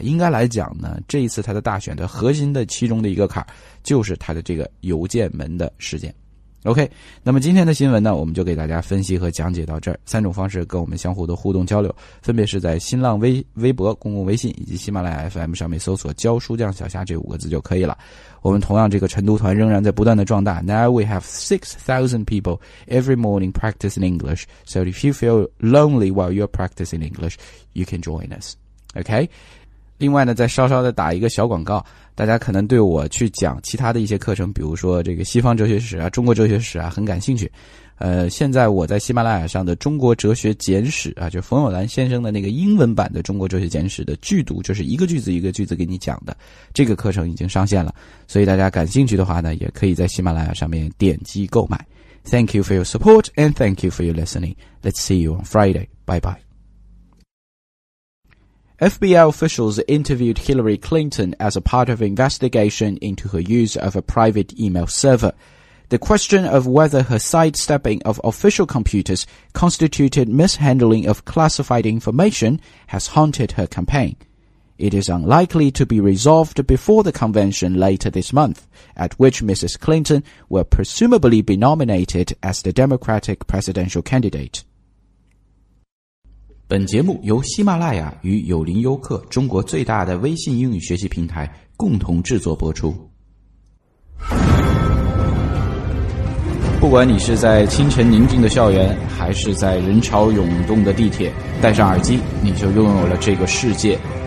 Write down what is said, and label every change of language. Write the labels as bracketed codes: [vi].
[zh] 应该来讲呢，这一次他的大选的核心的其中的一个坎儿，就是他的这个邮件门的事件。 OK， 那么今天的新闻呢，我们就给大家分析和讲解到这儿。三种方式跟我们相互的互动交流，分别是在新浪微博、公共微信以及喜马拉雅 FM 上面搜索"教书匠小虾"这五个字就可以了。我们同样这个晨读团仍然在不断的壮大。 [en] Now we have 6,000 people every morning practicing English. So if you feel lonely while you're practicing English, you can join us. OK。 [zh] 另外呢，再稍稍的打一个小广告，大家可能对我去讲其他的一些课程，比如说这个西方哲学史啊、中国哲学史啊，很感兴趣。现在我在喜马拉雅上的《中国哲学简史》啊，就冯友兰先生的那个英文版的《中国哲学简史》的剧读，就是一个句子一个句子给你讲的，这个课程已经上线了。所以大家感兴趣的话呢，也可以在喜马拉雅上面点击购买。 [en] Thank you for your support and thank you for your listening. Let's see you on Friday. Bye bye. FBI officials interviewed Hillary Clinton as a part of investigation into her use of a private email server. The question of whether her sidestepping of official computers constituted mishandling of classified information has haunted her campaign. It is unlikely to be resolved before the convention later this month, at which Mrs. Clinton will presumably be nominated as the Democratic presidential candidate. [zh] 本节目由喜马拉雅与有灵优客中国最大的微信英语学习平台共同制作播出。不管你是在清晨宁静的校园，还是在人潮涌动的地铁，戴上耳机，你就拥有了这个世界。